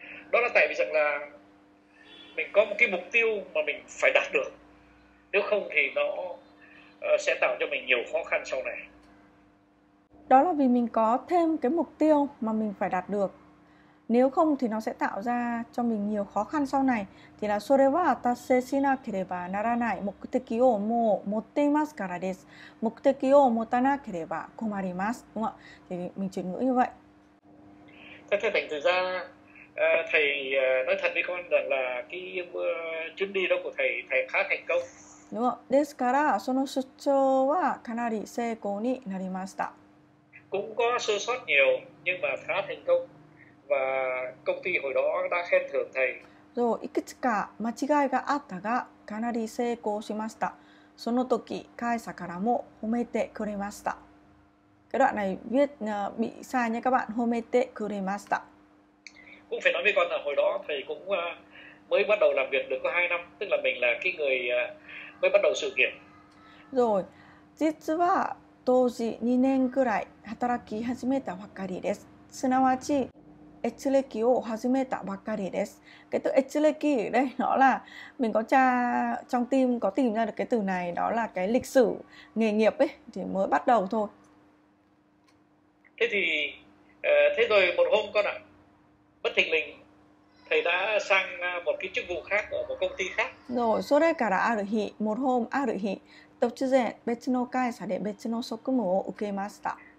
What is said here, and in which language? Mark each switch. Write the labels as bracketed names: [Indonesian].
[Vietnamese] Đó là tại vì rằng là mình có một cái mục tiêu mà mình phải đạt được. Nếu không thì nó sẽ tạo cho mình nhiều khó khăn sau này. Đó là vì mình có thêm cái mục tiêu mà mình phải đạt được. Nếu không thì nó sẽ tạo ra cho mình nhiều khó khăn sau này. [Japanese] Thì là それは達成しなければならない目的をもう持っていますからです。目的を持たなければ困ります。 [Vietnamese] đúng không? Thì mình chuyển ngữ như vậy. Thế thành thực ra thầy nói thật với con rằng là cái chuyến đi đó của thầy thầy khá thành công. Đúng không? [Japanese] ですからその出張はかなり成功になりました。 [Vietnamese] Cũng có sơ sót nhiều nhưng mà khá thành công, và công ty hồi đó đã khen thưởng thầy. [Japanese] そう、いくつか間違いがあったが、かなり成功しました。その時、会社からも褒めてくれました。 [Vietnamese] Cái đoạn này viết bị sai nha các bạn, hôm nay tệ kurimasta. Cũng phải nói với con là hồi đó thầy cũng mới bắt đầu làm việc được có 2 năm, tức là mình là cái người mới bắt đầu sự nghiệp. [Japanese] Rồi, 実は当時2年くらい働き始めたばかりです。すなわち、エチレキを始めたばかりです。 [Vietnamese] Cái từ etchiliki đây nó là mình có tra trong tim có tìm ra được cái từ này, đó là cái lịch sử nghề nghiệp ấy thì mới bắt đầu thôi. Thế thì thế rồi một hôm con ạ, bất thình lình thầy đã sang một cái chức vụ khác ở một công ty khác. [Japanese] Rồi, それからある日、 [Vietnamese] một hôm [Japanese] ある日、突然別の会社で別の職務を受けました。